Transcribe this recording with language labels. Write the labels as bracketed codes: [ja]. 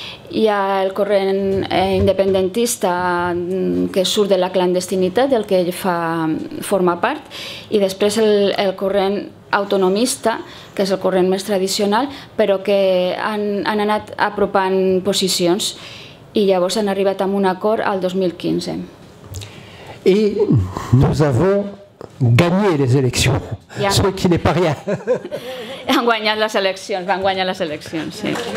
[ca] Hi ha el corrent independentista que surt de la clandestinitat, del que ell forma part, i després el corrent autonomista, que és el corrent més tradicional, però que han anat apropant posicions i llavors han arribat a un acord el 2015. [fr] I nous avons gagner les élections, yeah. Ce qui n'est pas rien. [ca] Han guanyat les eleccions, van guanyar les eleccions, sí.